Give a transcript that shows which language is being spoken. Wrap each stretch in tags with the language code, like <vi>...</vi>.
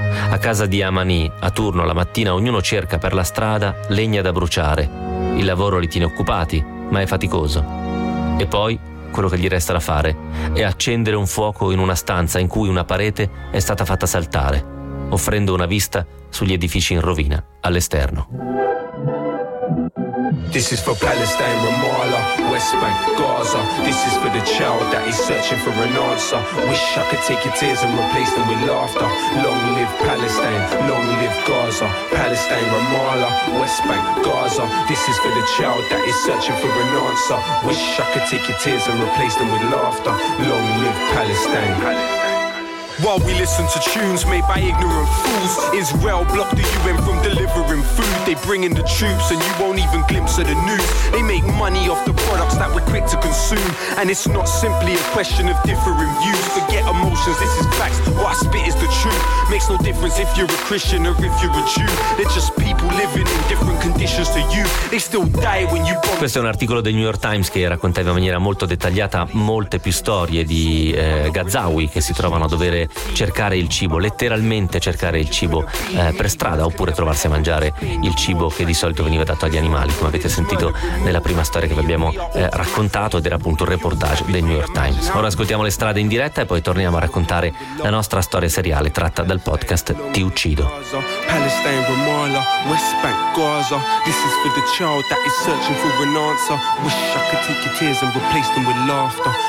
<it>A casa di Amani, a turno la mattina, ognuno cerca per la strada legna da bruciare. Il lavoro li tiene occupati, ma è faticoso. E poi quello che gli resta da fare è accendere un fuoco in una stanza in cui una parete è stata fatta saltare, offrendo una vista sugli edifici in rovina all'esterno.</it> <en>This is for Palestine, Ramallah, West Bank, Gaza. This is for the child that is searching for an answer. Wish I could take your tears and replace them with laughter. Long live Palestine, long live Gaza. Palestine, Ramallah, West Bank, Gaza. This is for the child that is searching for an answer. Wish I could take your tears and replace them with laughter. Long live Palestine. While we listen to tunes made by ignorant fools, Israel blocked the UN from delivering food. They bring in the troops and you won't even glimpse of the news. They make money off the products that we're quick to consume. And it's not simply a question of differing views. Forget emotions, this is facts, what I spit is the truth. Makes no difference if you're a Christian or if you're a Jew. They're just people living in different conditions to you. They still die when you bomb.</en> <it>Questo è un articolo del New York Times che raccontava in maniera molto dettagliata molte più storie di Gazawi che si trovano a dovere cercare il cibo, letteralmente cercare il cibo per strada, oppure trovarsi a mangiare il cibo che di solito veniva dato agli animali, come avete sentito nella prima storia che vi abbiamo raccontato, ed era appunto un reportage del New York Times. Ora ascoltiamo Le strade in diretta e poi torniamo a raccontare la nostra storia seriale tratta dal podcast Ti uccido.</it> <en>Palestine, Ramallah, West Bank, Gaza. This is for the child that is searching for an answer. Wish I could take your tears and replace them with laughter.</en>